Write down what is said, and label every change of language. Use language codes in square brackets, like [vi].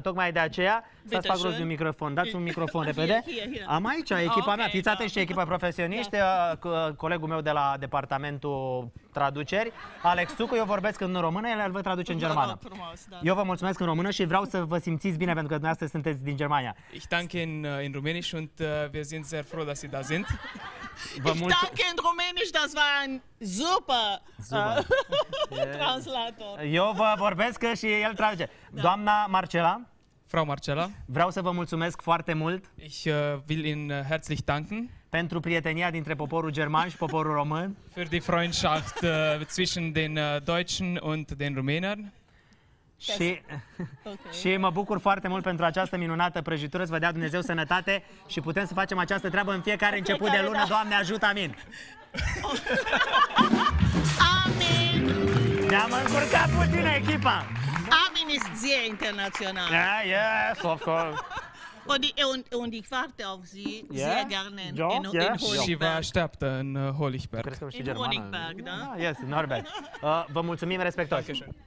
[ro] Tocmai de aceea, să-ți fac rost de un microfon. Dați un microfon repede. Am aici echipa mea. Fiți atenți, și echipa profesioniști, colegul meu de la departamentul traduceri, Alex Tucu, eu vorbesc în română, el vă traduce în germană. Eu vă mulțumesc în română și vreau să vă simțiți bine, pentru că dumneavoastră sunteți din Germania. [de] Ich danke in rumänisch und wir sind sehr froh, dass Sie da sind. Ich danke in rumänisch, das war ein super translator. [ro] Eu vă vorbesc și el traduce. Da. Doamna Marcela. [de] Frau Marcela. [ro] Vreau să vă mulțumesc foarte mult. [de] Ich will Ihnen herzlich danken. [ro] Pentru prietenia dintre poporul german și poporul român. [de] Für die Freundschaft zwischen den Deutschen und den Rumänern. [ro] Și, okay. Și mă bucur foarte mult pentru această minunată prăjitură. Să vă dea Dumnezeu sănătate și putem să facem această treabă în fiecare început de lună. Da. Doamne ajută, amin. Amin. Ne-am încurcat puțin echipa. [de] Amin ist Sie international. Ja, [en] yes, of course. [de] Und ich warte auf Sie sehr gerne in Honigberg. [ro] Și vă așteaptă în Honigberg. Cred că știi germană. [de] In Honigberg, da? [en] Yes, Norbert. [ro] Vă mulțumim, respectoși.